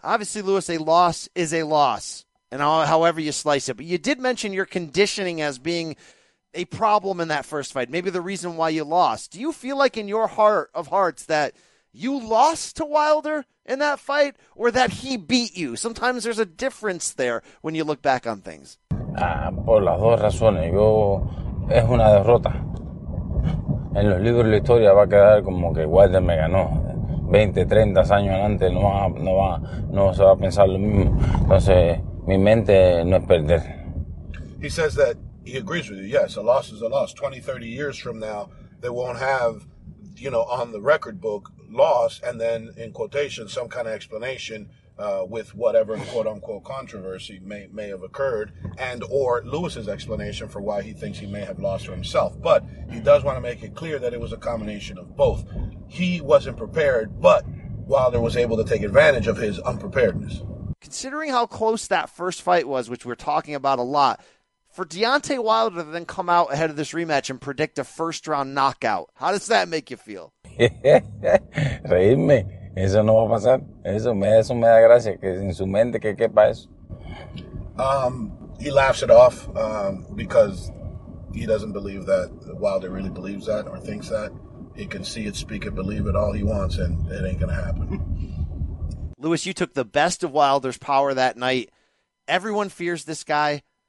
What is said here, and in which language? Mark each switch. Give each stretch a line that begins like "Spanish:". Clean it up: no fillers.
English: Obviously, Luis, a loss is a loss, and however you slice it. But you did mention your conditioning as being a problem in that first fight, maybe the reason why you lost. Do you feel like in your heart of hearts that you lost to Wilder in that fight, or that he beat you? Sometimes there's a difference there when you look back on things.
Spanish: Por las dos razones. Yo, es una derrota. En los libros de la historia va a quedar como que Wilder me ganó. 20, 30 años antes no se va a pensar lo mismo. Entonces, mi mente no es perder.
English: He says that he agrees with you. Yes, a loss is a loss. 20, 30 years from now, they won't have, you know, on the record book, loss, and then in quotation some kind of explanation with whatever quote unquote controversy may have occurred, and or Lewis's explanation for why he thinks he may have lost for himself. But he does want to make it clear that it was a combination of both. He wasn't prepared, but Wilder was able to take advantage of his unpreparedness. Considering how close that first fight was, which we're talking about a lot, for Deontay Wilder to then come out ahead of this rematch and predict a first round knockout, how does that make you feel?
Spanish: Reírme, eso no va a pasar. Eso me da gracia que en su mente que quepa eso.
English: He laughs it off because he doesn't believe that Wilder really believes that or thinks that. He can see it, speak it, believe it all he wants, and it ain't gonna happen. Luis, you took the best of Wilder's power that night. Everyone fears this guy.